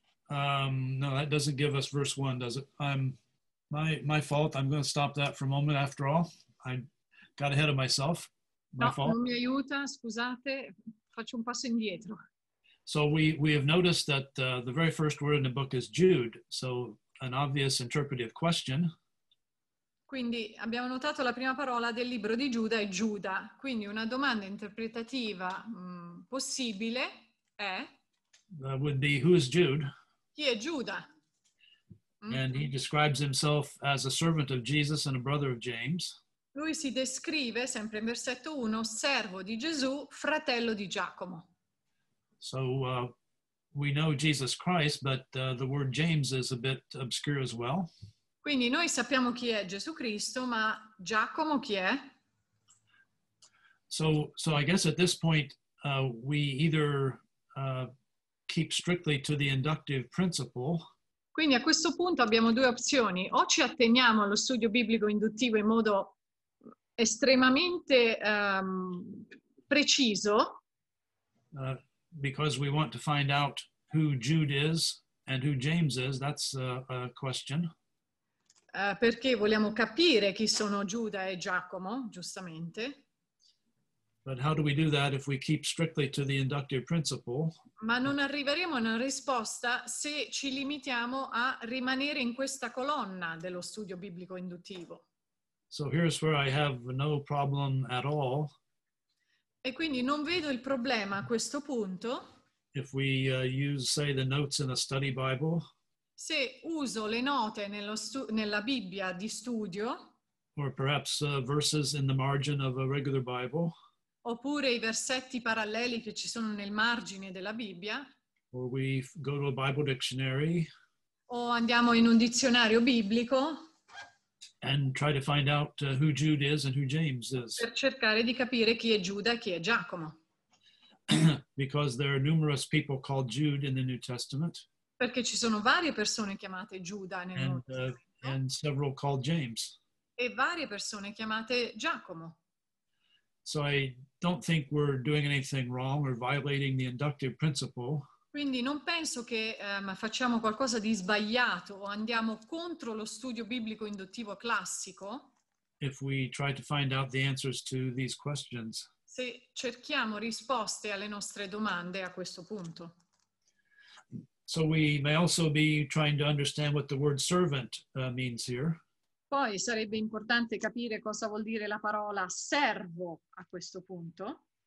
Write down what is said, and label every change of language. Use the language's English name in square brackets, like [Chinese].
[English] No, that doesn't give us verse one, does it? My fault. I'm going to stop that for a moment. After all, I got ahead of myself. My no, fault. [Italian] Non mi aiuta. Scusate, faccio un passo indietro. [English] So we have noticed that the very first word in the book is Jude. So an obvious interpretive question. [Italian] Quindi abbiamo notato la prima parola del libro di Giuda è Giuda. Quindi una domanda interpretativa possibile è. [English] Would be who is Jude? [Italian] Chi è Giuda? Mm-hmm. [English] And he describes himself as a servant of Jesus and a brother of James. [Italian] Lui si descrive, sempre in versetto 1, servo di Gesù, fratello di Giacomo. [English] So we know Jesus Christ, but the word James is a bit obscure as well. [Italian] Quindi noi sappiamo chi è Gesù Cristo, ma Giacomo chi è? [English] So I guess at this point we either keep strictly to the inductive principle. [Italian] Quindi a questo punto abbiamo due opzioni. O ci atteniamo allo studio biblico induttivo in modo estremamente preciso. [English] Because we want to find out who Jude is and who James is, that's a question. [Italian] Perché vogliamo capire chi sono Giuda e Giacomo, giustamente. [English] But how do we do that if we keep strictly to the inductive principle? [Italian] Ma non arriveremo a una risposta se ci limitiamo a rimanere in questa colonna dello studio biblico induttivo. [English] So here's where I have no problem at all. [Italian] E quindi non vedo il problema a questo punto. [English] If we use, say, the notes in a study Bible. [Italian] Se uso le note nella Bibbia di studio. [English] Or perhaps verses in the margin of a regular Bible. [Italian] Oppure i versetti paralleli che ci sono nel margine della Bibbia. [English] Or we go to a Bible dictionary. [Italian] O andiamo in un dizionario biblico. [English] And try to find out who Jude is and who James is. [Italian] Per cercare di capire chi è Giuda e chi è Giacomo. [English] Because there are numerous people called Jude in the New Testament. [Italian] Perché ci sono varie persone chiamate Giuda nel Nuovo Testamento. [English] And several called James. [Italian] E varie persone chiamate Giacomo. [English] So I don't think we're doing anything wrong or violating the inductive principle. [Italian] Quindi non penso che facciamo qualcosa di sbagliato o andiamo contro lo studio biblico induttivo classico. [English] If we try to find out the answers to these questions. [Italian] Se cerchiamo risposte alle nostre domande a questo punto. [English] So we may also be trying to understand what the word servant means here. [Italian] Poi sarebbe importante capire cosa vuol dire la parola servo a questo punto.